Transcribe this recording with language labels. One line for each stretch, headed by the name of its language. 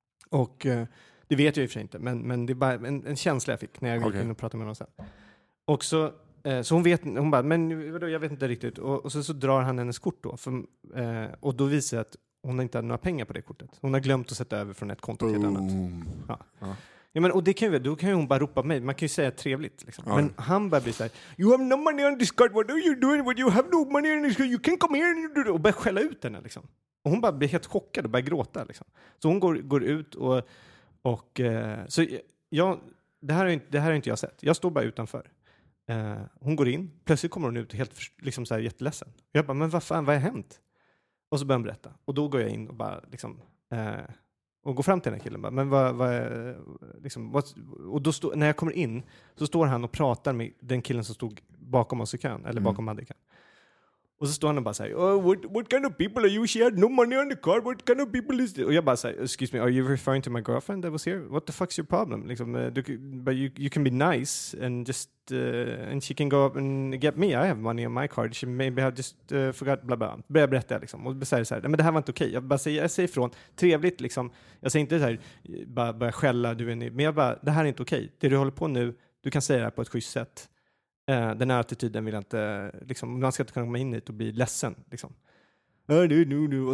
Swedish: Och det vet jag i och för sig inte, men det är bara en känsla jag fick när jag gick in och pratade med honom sen. Och så hon vet, hon bara, men vadå, jag vet inte riktigt. Och så drar han hennes kort då. Och då visar att hon inte har några pengar på det kortet. Hon har glömt att sätta över från ett konto till ett annat. Ja. Ja, men och det kan ju, då kan ju hon bara ropa mig. Man kan ju säga trevligt liksom. Men han bara blir så här,
English: you have no money on this card, what are you doing, what you have no money on this card, you can come here and do it.
Swedish: Och börjar skälla ut henne liksom. Och hon bara blir helt chockad och börjar gråta liksom. Så hon går ut och så jag, det här har inte jag sett. Jag står bara utanför. Hon går in, plötsligt kommer hon ut helt liksom så här jätteledsen. Jag bara, men vad fan, vad har hänt? Och så börjar hon berätta. Och då går jag in och bara liksom och går fram till den här killen bara, men vad liksom, och då när jag kommer in så står han och pratar med den killen som stod bakom oss i kön, eller bakom Madde i kön. Och så står han och bara säger,
English: what kind of people are you? She had no money on the car. What kind of people is this?
Swedish: Och jag bara säger,
English: excuse me, are you referring to my girlfriend that was here? What the fuck's your problem?
Swedish: Liksom,
English: but you can be nice and just and she can go up and get me. I have money on my card. She maybe have just forgot blah blah.
Swedish: Börjar berätta liksom. Och säger så här, men det här var inte okej. Okay. Jag bara säger, jag säger ifrån. Trevligt liksom. Jag säger inte så här, bara skälla, du är ny. Men jag bara, det här är inte okej. Okay. Det du håller på nu, du kan säga det här på ett schysst sätt. Den här attityden vill jag inte liksom, man ska inte kunna komma in hit och bli ledsen liksom. Nu.